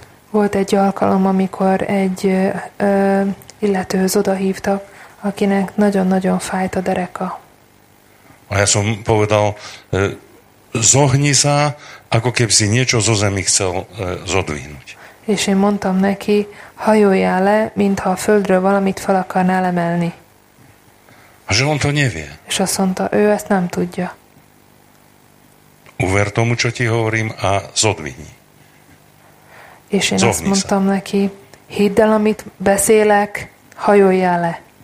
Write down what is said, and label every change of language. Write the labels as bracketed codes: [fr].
[hu] Volt egy alkalom, amikor egy illetőhöz odahívtak, akinek nagyon-nagyon fájt a dereka. [sk] A ja som povedal, zohni sa, ako keby si niečo zo zemi chcel zodvihnúť. [hu] És én mondtam neki, hajoljál le, mintha a földről valamit fel akarnál emelni. [sk] A že on to nevie. [hu] És azt mondta, ő ezt nem tudja. [sk] Uver tomu, čo ti hovorím, a zodvihni. [hu] És én azt mondtam neki, hidd el, amit beszélek, hajoljál le.